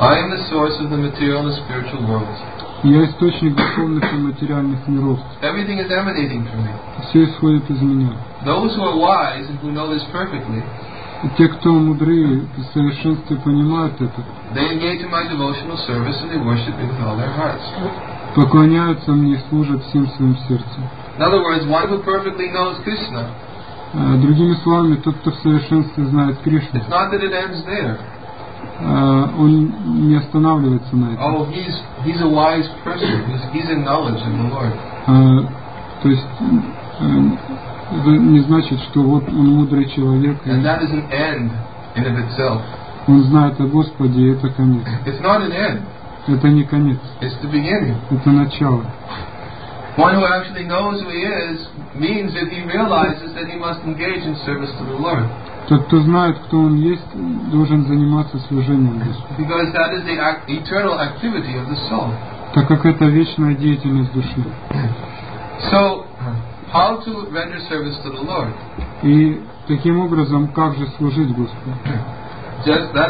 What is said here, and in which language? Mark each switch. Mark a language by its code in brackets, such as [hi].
[en] I am the source of the material and the spiritual worlds. [ru] Я источник духовных и материальных миров. [en] Everything is emanating from me. [ru] Все исходит из меня. [en] Those who are wise and who know this perfectly, [ru] те, кто мудры и в совершенстве понимают это, [en] they engage in my devotional service and they worship me with all their hearts. [ru] Поклоняются мне и служат всем своим сердцем. [en] In other words, one who perfectly knows Krishna. [ru] Другими словами, тот, кто в совершенстве знает Кришну. [en] It's not that it ends there. [ru] Он не останавливается на этом. [en] Oh, he's a wise person. He's in knowledge in the Lord. [ru] То есть это не значит, что вот он мудрый человек. [en] And that is an end in of itself. [ru] Он знает о Господе, и это конец. [en] It's not an end. [ru] Это не конец. [en] It's the beginning. [ru] Это начало. [en] One who actually knows who he is means that he realizes that he must engage in service to the Lord. [ru] Тот, кто знает, кто он есть, должен заниматься служением Господу. [en] Because that is the eternal activity of the soul. [ru] Так как это вечная деятельность души. [en] So, how to render service to the Lord? [ru] И таким образом, как же служить Господу?